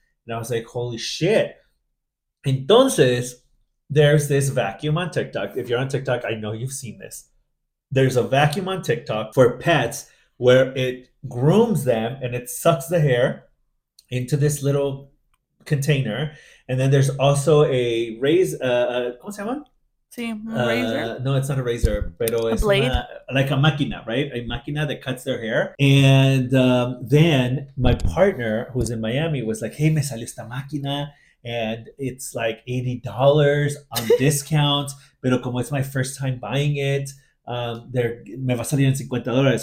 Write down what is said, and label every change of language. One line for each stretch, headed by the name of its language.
English: And I was like, holy shit. Entonces, there's this vacuum on TikTok. If you're on TikTok, I know you've seen this. There's a vacuum on TikTok for pets where it grooms them and it sucks the hair into this little container. And then there's also a
Spanish: ¿cómo se llama?
English: Sí, razor. No, it's not a razor,
Spanish: pero
English: a it's blade. Like a máquina, right? A máquina that cuts their hair. And then my partner, who's in Miami, was like, hey,
Spanish: me salió esta máquina,
English: and it's like $80 on discount,
Spanish: pero como
English: it's my first time buying it,
Spanish: me va a salir en $50.